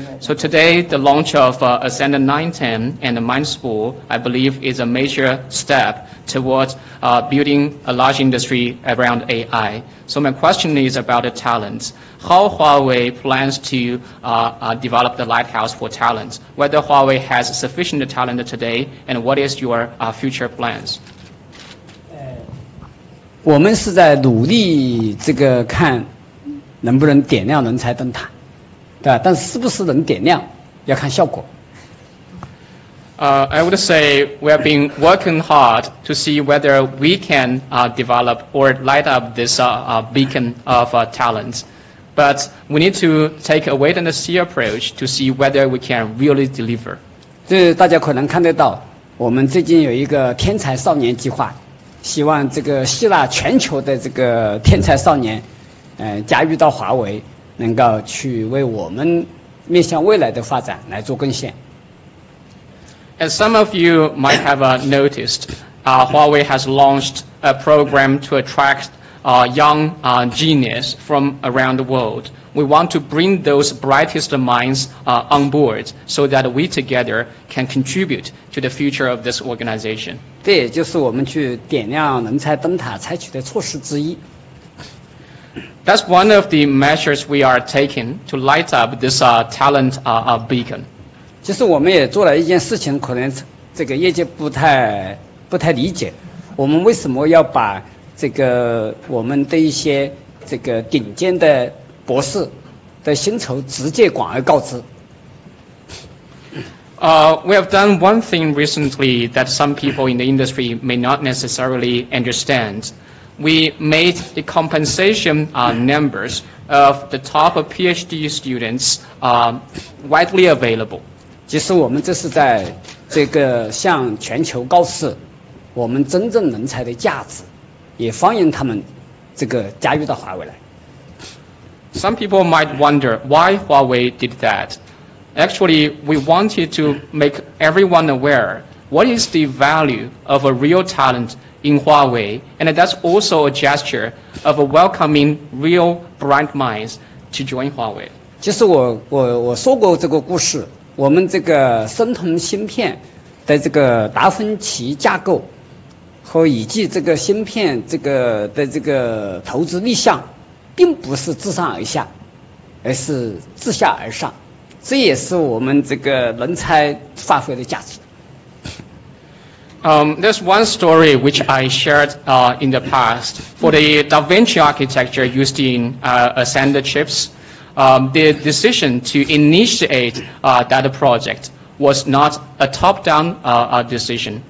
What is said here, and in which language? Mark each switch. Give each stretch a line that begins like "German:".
English: So today, the launch of Ascendant 910 and MindSpore, I believe, is a major step towards building a large industry around AI. So my question is about the talents. How Huawei plans to develop the lighthouse for talents? Whether Huawei has sufficient talent today, and what is your future plans?
Chinese: 我们是在努力这个看能不能点亮人才灯塔，对吧？但是不是能点亮，要看效果。
English: I would say we have been working hard to see whether we can develop or light up this beacon of talents. But we need to take a wait and see approach to see whether we can really deliver.
Chinese: 这大家可能看得到，我们最近有一个天才少年计划，希望这个吸纳全球的这个天才少年，加入到华为，能够去为我们面向未来的发展来做贡献。
English: As some of you might have noticed, Huawei has launched a program to attract young genius from around the world. We want to bring those brightest minds on board so that we together can contribute to the future of this organization.
Chinese: 这也就是我们去点亮人才灯塔采取的措施之一。
English: That's one of the measures we are taking to light up this talent beacon.
Chinese: 其实我们也做了一件事情，可能这个业界不太理解，我们为什么要把这个我们的一些这个顶尖的博士的薪酬直接广而告之。
English: We have done one thing recently that some people in the industry may not necessarily understand. We made the compensation numbers of the top of PhD students widely available.
Chinese: 其实我们这是在这个向全球告示我们真正人才的价值，也欢迎他们这个加入到华为来。
English: Some people might wonder why Huawei did that. Actually, we wanted to make everyone aware what is the value of a real talent in Huawei, and that's also a gesture of a welcoming real bright minds to join Huawei.
Chinese: 其实我说过这个故事，我们这个申通芯片的这个达芬奇架构和以及这个芯片这个的这个投资立项，并不是自上而下，而是自下而上，这也是我们这个人才发挥的价值。
English: There's one story which I shared in the past. For the Da Vinci architecture used in Ascender chips, the decision to initiate that project was not a top-down decision.